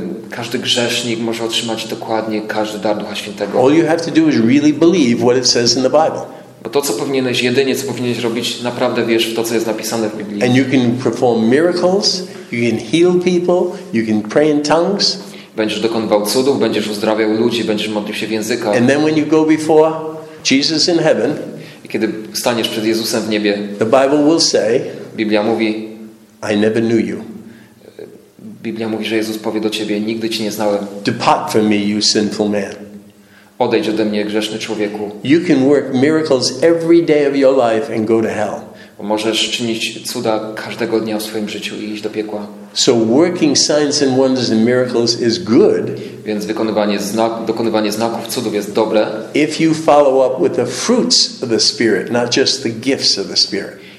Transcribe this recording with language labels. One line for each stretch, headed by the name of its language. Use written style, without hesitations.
Polish: Każdy grzesznik może otrzymać dokładnie każdy dar Ducha Świętego.
English: All you have to do is really believe what it says in the Bible.
Polish: Bo to, co powinieneś, jedynie co powinieneś robić, naprawdę wierz w to, co jest napisane w Biblii.
English: And you can perform miracles, you can heal people, you can pray in tongues.
Polish: Będziesz dokonywał cudów, będziesz uzdrawiał ludzi, będziesz modlił się w językach.
English: And then when you go before Jesus in heaven,
Polish: i kiedy staniesz przed Jezusem w niebie,
English: the Bible will say,
Polish: Biblia mówi,
English: I never knew you.
Polish: Biblia mówi, że Jezus powie do ciebie, nigdy cię nie znałem.
English: Depart from me, you sinful man.
Polish: Odejdź ode mnie, grzeszny człowieku.
English: You can work miracles every day of your life and go to hell.
Polish: Możesz czynić cuda każdego dnia w swoim życiu i iść do piekła.
English: So working signs and wonders and miracles is good.
Polish: Więc dokonywanie znaków, cudów jest dobre.
English: If you follow up with the fruits of the Spirit, not just the gifts of the Spirit.